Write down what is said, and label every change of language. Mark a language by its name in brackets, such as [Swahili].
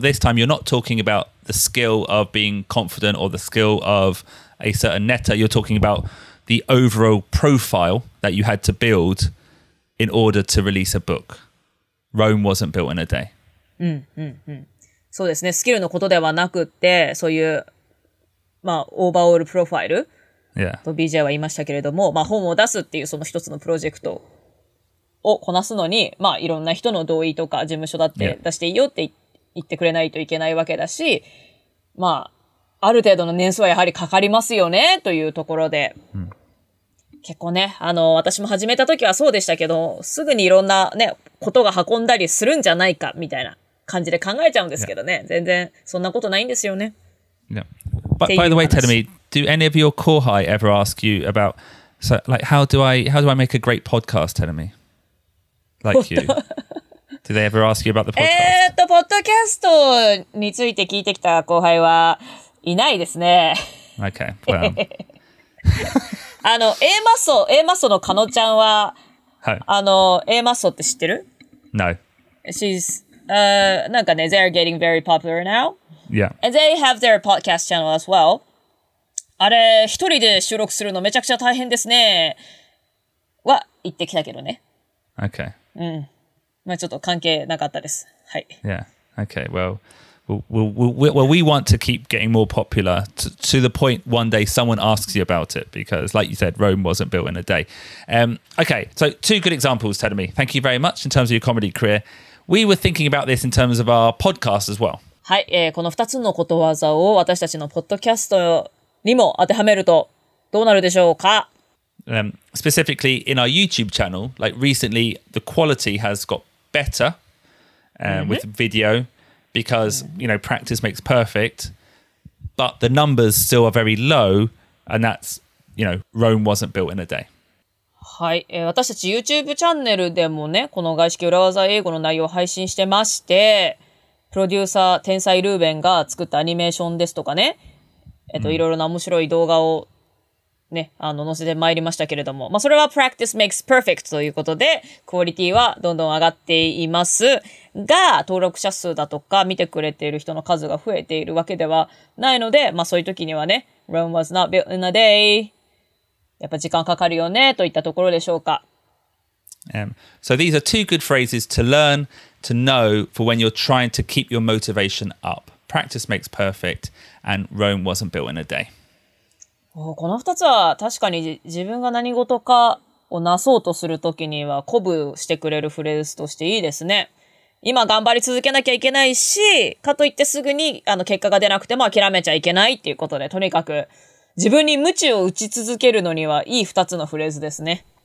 [English] This time you're not talking about the skill of being confident or the skill of a certain netter. You're talking about the overall profile that you had to build in order to release a book. Rome wasn't built in a day. [Japanese] そうですね。スキルのことではなくて、そういう、まあ、オーバーオールプロファイルと BJ は言いましたけれども、まあ、本を出すっていうその一つのプロジェクトをこなすのに、まあ、いろんな人の同意とか事務所だって出していいよって言ってくれないといけないわけだし、まあ、ある程度の年数はやはりかかりますよねというところで、結構ね、あの、私も始めた時はそうでしたけど、すぐにいろんなね、ことが運んだりするんじゃないかみたいな感じで考えちゃうんですけどね、全然そんなことないんですよね。 [English] But, by the way, tell me, do any of your kohai ever ask you about, so, like, how do I make a great podcast, tell me? Like you. Do they ever ask you about the podcast? [Japanese] ポッドキャストについて聞いてきた後輩はいないですね。 [English] Okay, well. [Japanese] あの、A マッソのカノちゃんは、あの、A マッソって知ってる？ [English] No. She's, [Japanese] なんかね、 [English] they're getting very popular now. Yeah. And they have their podcast channel as well. [Japanese] あれ、一人で収録するのめちゃくちゃ大変ですね。は、言ってきたけどね。 [English] Okay. [Japanese] まあ、ちょっと関係なかったです。はい。 [English] Yeah. Okay. Well, we want to keep getting more popular to the point one day someone asks you about it because, like you said, Rome wasn't built in a day. Okay. So two good examples, Tadami. Thank you very much in terms of your comedy career. We were thinking about this in terms of our podcast as well. [Japanese] はい。この2つのことわざを私たちのポッドキャストにも当てはめるとどうなるでしょうか？ [English] Specifically in our YouTube channel, like recently, the quality has got better with video because, you know, practice makes perfect, but the numbers still are very low, and that's, you know, Rome wasn't built in a day. [Japanese] はい、私たち YouTube チャンネルでもね、この外資系裏技英語の内容を配信してまして、プロデューサー天才ルーベンが作ったアニメーションですとかね、いろいろな面白い動画をね、あの載せてまいりましたけれども、まあ、それは [English] practice makes perfect [Japanese] ということでクオリティはどんどん上がっていますが登録者数だとか見てくれている人の数が増えているわけではないので、まあ、そういう時にはね [English] Rome was not built in a day [Japanese] やっぱ時間かかるよねといったところでしょうか。 [English] So these are two good phrases to learn to know for when you're trying to keep your motivation up. Practice makes perfect and Rome wasn't built in a day. [Japanese] この二つは確かに自分が何事かをなそうとするときには鼓舞してくれるフレーズとしていいですね。今頑張り続けなきゃいけないし、かといってすぐにあの結果が出なくても諦めちゃいけないっていうことで、とにかく自分に鞭を打ち続けるのにはいい二つのフレーズですね。